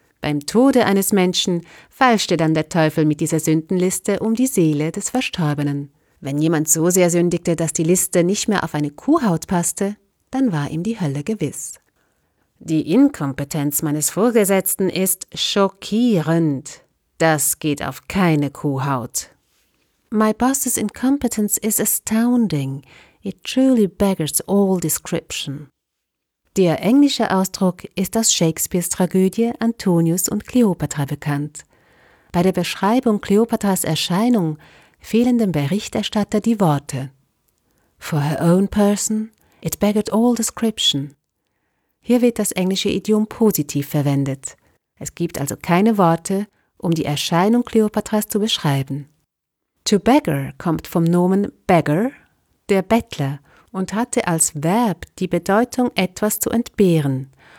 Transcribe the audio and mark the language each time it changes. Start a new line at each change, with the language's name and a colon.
German: Beim Tode eines Menschen feilschte dann der Teufel mit dieser Sündenliste um die Seele des Verstorbenen. Wenn jemand so sehr sündigte, dass die Liste nicht mehr auf eine Kuhhaut passte, dann war ihm die Hölle gewiss. Die Inkompetenz meines Vorgesetzten ist schockierend. Das geht auf keine Kuhhaut.
English: My boss's incompetence is astounding. It truly beggars all description.
German: Der englische Ausdruck ist aus Shakespeares Tragödie Antonius und Kleopatra bekannt. Bei der Beschreibung Kleopatras Erscheinung fehlen dem Berichterstatter die Worte.
English: For her own person, it beggared all description.
German: Hier wird das englische Idiom positiv verwendet. Es gibt also keine Worte, um die Erscheinung Kleopatras zu beschreiben. To beggar kommt vom Nomen beggar, der Bettler, und hatte als Verb die Bedeutung, etwas zu entbehren.